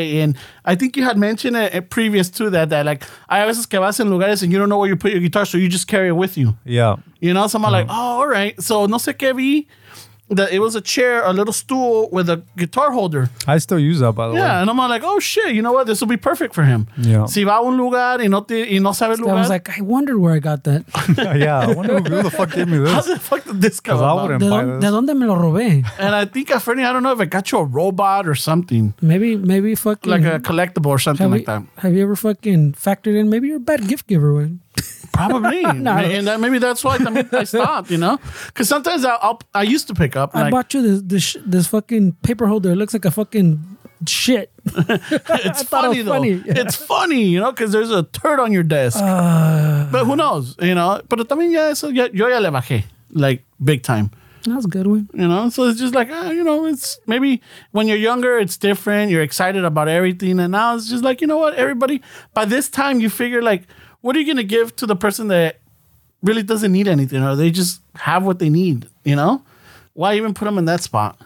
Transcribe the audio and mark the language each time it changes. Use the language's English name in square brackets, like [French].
[English] And I think you had mentioned it previous to that, like, [Spanish] hay veces que vas en lugares [English] and you don't know where you put your guitar, so you just carry it with you. Yeah. You know, so I'm like, oh, all right. So [Spanish] no sé qué vi. [English] That it was a chair, a little stool with a guitar holder. I still use that, by the way. Yeah, and I'm like, oh, shit, you know what? This will be perfect for him. Yeah. [Spanish] Si va a un lugar y no sabe el lugar. [English] I was like, I wondered where I got that. Yeah, I wonder who the fuck gave me this. How the fuck did this come? Because I wouldn't buy this. [Spanish] ¿De dónde me lo robé? [English] And I think, Afreni, I don't know if I got you a robot or something. Maybe fucking. Like a collectible or something like that. Have you ever fucking factored in? Maybe you're a bad gift giver, man. Probably. No. Maybe that's why I stopped, you know? Because sometimes I used to pick up. I, like, bought you this fucking paper holder. It looks like a fucking shit. It's funny, though. Funny. It's funny, you know, because there's a turd on your desk. But who knows, you know? [Spanish] Pero también ya eso, yo ya le bajé, like, [English] big time. That's a good one. You know? So it's just like, you know, it's maybe when you're younger, it's different. You're excited about everything. And now it's just like, you know what? Everybody, by this time, you figure, like, what are you going to give to the person that really doesn't need anything, or they just have what they need, you know? Why even put them in that spot?